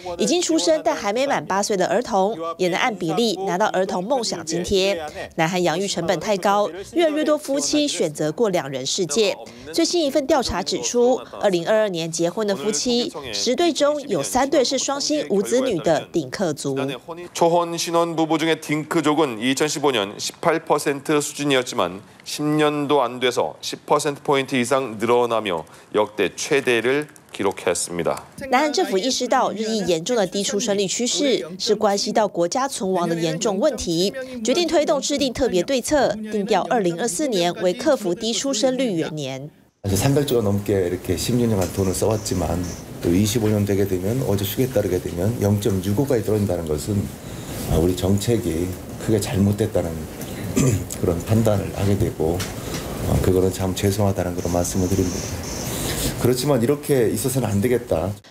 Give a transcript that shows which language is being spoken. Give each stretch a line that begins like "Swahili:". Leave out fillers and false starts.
Chinese: 已经出生但还没满八岁的儿童，也能按比例拿到儿童梦想津贴。南韩养育成本太高，越来越多夫妻选择过两人世界。最新一份调查指出，2022年结婚的夫妻10对中有3对是双薪无子女的顶客族。
Korean: 초혼신혼부부중의딩크족은2015년 18% 수준이었지만10년도 안 돼서 10%포인트 이상 늘어나며 역대 최대를기록했습니다
Chinese: 南韩政府意识到日益严重的低出生率趋势是关系到国家存亡的严重问题，决定推动制定特别对策，定调2024年为克服低出生率元年。
Korean: 300조가넘게이렇게10년간돈을써왔지만또25년되게되면어제수에따르게되면 0.65 까지떨어진다는것은우리정책이크게잘못됐다는그런판단을하게되고그거는참죄송하다는그런말씀을드립니다그렇지만이렇게있어서는안되겠다